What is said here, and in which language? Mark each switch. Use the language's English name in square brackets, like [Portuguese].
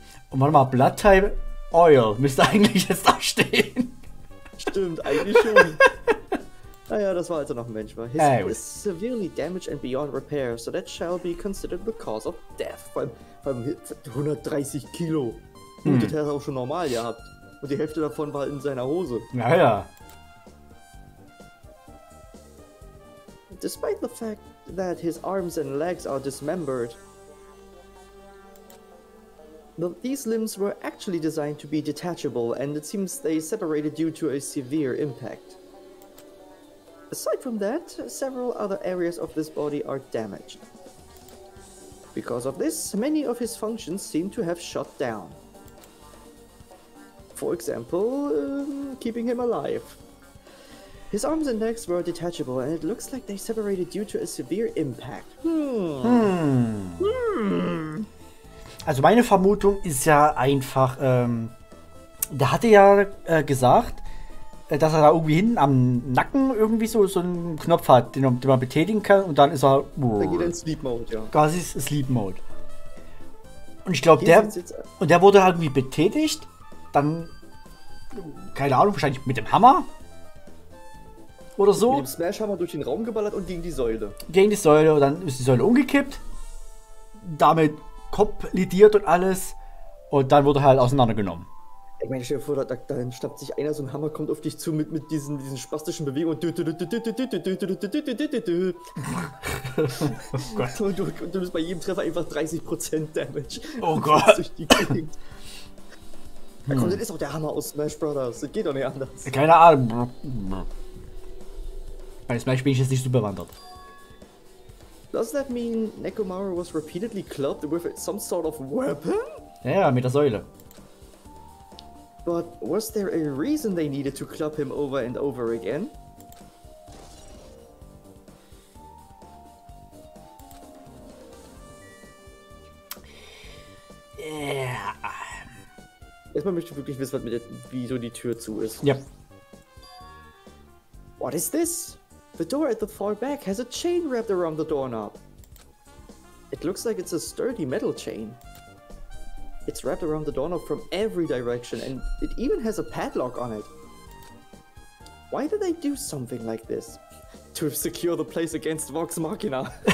[German] Und warte mal, Blood Type Oil müsste eigentlich jetzt da stehen. Stimmt, eigentlich schon. Ah ja, das war also noch ein Mensch. [English] His body is severely damaged and beyond repair, so that shall be considered the cause of death. [German] Vor allem 130 Kilo. Und das hat er auch schon normal gehabt. Und die Hälfte davon war in seiner Hose. Naja. [English] Despite the fact that his arms and legs are dismembered, these limbs were actually designed to be detachable, and it seems they separated due to a severe impact. Aside from that, several other areas of this body are damaged. Because of this, many of his functions seem to have shut down. For example, keeping him alive. His arms and legs were detachable, and it looks like they separated due to a severe impact. [German] Also meine Vermutung ist ja einfach, der hatte ja gesagt, dass er da irgendwie hinten am Nacken irgendwie so einen Knopf hat, den man betätigen kann, und dann ist er... Dann geht er in Sleep Mode, ja. Quasi Sleep Mode. Und ich glaube, der wurde halt irgendwie betätigt, dann, keine Ahnung, wahrscheinlich mit dem Hammer oder so. Mit dem Smash-Hammer durch den Raum geballert und gegen die Säule. Gegen die Säule, und dann ist die Säule umgekippt, damit Kopf lidiert und alles, und dann wurde halt auseinandergenommen. Ich meine, stell dir vor, da schnappt sich einer, so ein Hammer kommt auf dich zu mit diesen spastischen Bewegungen und oh Gott. Und du bist bei jedem Treffer einfach 30% Damage. Oh Gott. Durch die Da kommt, das ist auch der Hammer aus Smash Brothers. Das geht doch nicht anders. Keine Ahnung. Bei Smash bin ich jetzt nicht so bewandert. [English] Does that mean Nekomaru was repeatedly clubbed with some sort of weapon? [German] Ja, yeah, mit der Säule. [English] But was there a reason they needed to club him over and over again? Yeah. [German] Erstmal möchte ich wirklich wissen, was mit der, wieso die Tür zu ist. Ja. Yep. [English] What is this? The door at the far back has a chain wrapped around the doorknob. It looks like it's a sturdy metal chain. It's wrapped around the doorknob from every direction, and it even has a padlock on it. Why do they do something like this? To secure the place against Vox Machina.